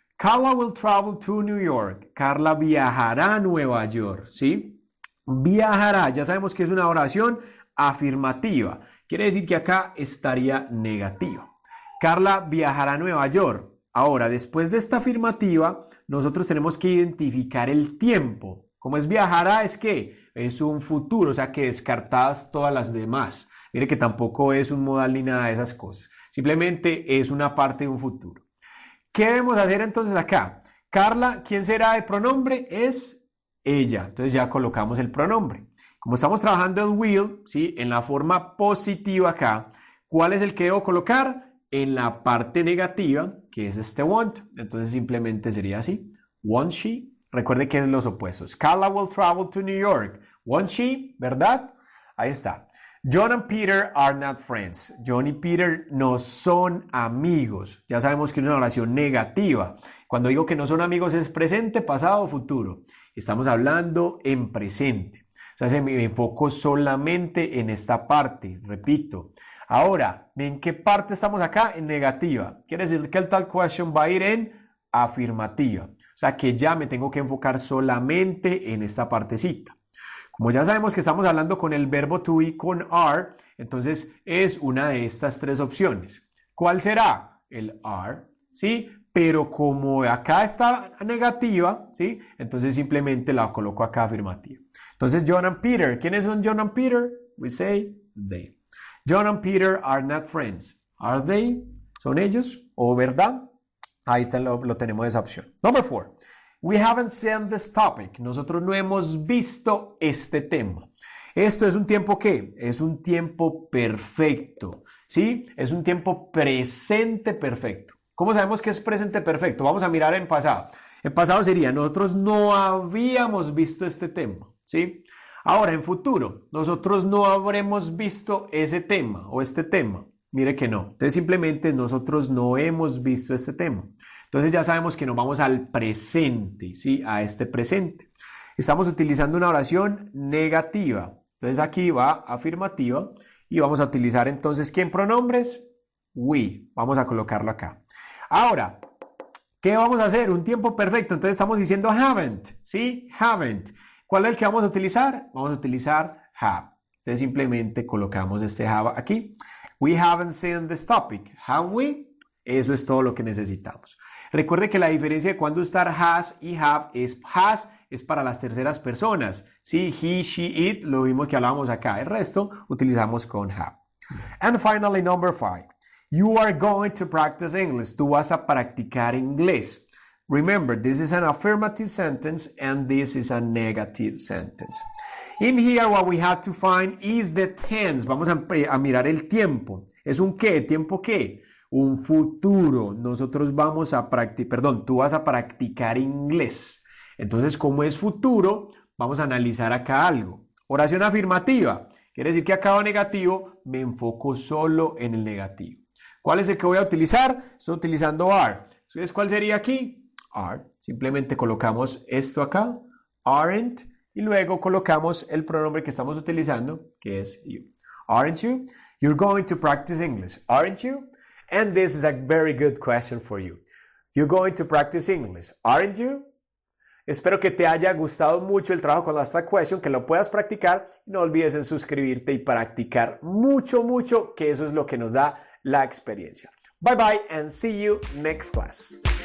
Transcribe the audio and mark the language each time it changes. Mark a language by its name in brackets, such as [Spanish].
[English] Carla will travel to New York. [Spanish] Carla viajará a Nueva York. ¿Sí? Viajará. Ya sabemos que es una oración afirmativa. Quiere decir que acá estaría negativo. Carla viajará a Nueva York. Ahora, después de esta afirmativa, nosotros tenemos que identificar el tiempo. ¿Cómo es viajará? ¿Es qué? Es un futuro, o sea que descartadas todas las demás. Mire que tampoco es un modal ni nada de esas cosas. Simplemente es una parte de un futuro. ¿Qué debemos hacer entonces acá? Carla, ¿quién será el pronombre? Es ella. Entonces ya colocamos el pronombre. Como estamos trabajando el will, ¿sí? En la forma positiva acá, ¿cuál es el que debo colocar? En la parte negativa, que es este want. Entonces simplemente sería así. [English] Won't she? [Spanish] Recuerde que es los opuestos. [English] Carla will travel to New York. Won't she? [Spanish] ¿Verdad? Ahí está. [English] John and Peter are not friends. [Spanish] John y Peter no son amigos. Ya sabemos que es una oración negativa. Cuando digo que no son amigos es presente, pasado o futuro. Estamos hablando en presente. sea, me enfoco solamente en esta parte, repito. Ahora, ¿en qué parte estamos acá? En negativa. Quiere decir que el tal question va a ir en afirmativa. O sea, que ya me tengo que enfocar solamente en esta partecita. Como ya sabemos que estamos hablando con el verbo to be con are, entonces es una de estas tres opciones. ¿Cuál será? El are, ¿sí? Pero como acá está negativa, ¿sí? Entonces simplemente la coloco acá afirmativa. Entonces, John and Peter, ¿quiénes son John and Peter? [English] We say they. John and Peter are not friends. Are they? [Spanish] ¿Son ellos? ¿O verdad? Ahí está, lo tenemos esa opción. [English] Number four. We haven't seen this topic. [Spanish] Nosotros no hemos visto este tema. ¿Esto es un tiempo qué? Es un tiempo perfecto, ¿sí? Es un tiempo presente perfecto. ¿Cómo sabemos que es presente perfecto? Vamos a mirar en pasado. En pasado sería, nosotros no habíamos visto este tema, ¿sí? Ahora, en futuro, nosotros no habremos visto ese tema o este tema. Mire que no. Entonces, simplemente nosotros no hemos visto este tema. Entonces ya sabemos que nos vamos al presente, ¿sí? A este presente. Estamos utilizando una oración negativa. Entonces aquí va afirmativa y vamos a utilizar entonces, ¿quién pronombres? We. Vamos a colocarlo acá. Ahora, ¿qué vamos a hacer? Un tiempo perfecto. Entonces estamos diciendo haven't, ¿sí? Haven't. ¿Cuál es el que vamos a utilizar? Vamos a utilizar have. Entonces simplemente colocamos este have aquí. [English] We haven't seen this topic, have we? [Spanish] Eso es todo lo que necesitamos. Recuerde que la diferencia de cuándo usar has y have es has es para las terceras personas. Sí, he, she, it, lo mismo que hablábamos acá. El resto utilizamos con have. [English] And finally, number five. You are going to practice English. [Spanish] Tú vas a practicar inglés. [English] Remember, this is an affirmative sentence and this is a negative sentence. In here, what we have to find is the tense. [Spanish] Vamos a mirar el tiempo. ¿Es un qué? ¿Tiempo qué? Un futuro, nosotros vamos a practicar, perdón, tú vas a practicar inglés. Entonces, como es futuro, vamos a analizar acá algo. Oración afirmativa, quiere decir que acabo negativo, me enfoco solo en el negativo. ¿Cuál es el que voy a utilizar? Estoy utilizando are. Entonces, ¿cuál sería aquí? Are. Simplemente colocamos esto acá, aren't, y luego colocamos el pronombre que estamos utilizando, que es you. [English] Aren't you? You're going to practice English, aren't you? And this is a very good question for you. You're going to practice English, aren't you? [Spanish] Espero que te haya gustado mucho el trabajo con esta question, que lo puedas practicar. No olvides en suscribirte y practicar mucho, mucho, que eso es lo que nos da la experiencia. [English] Bye bye and see you next class.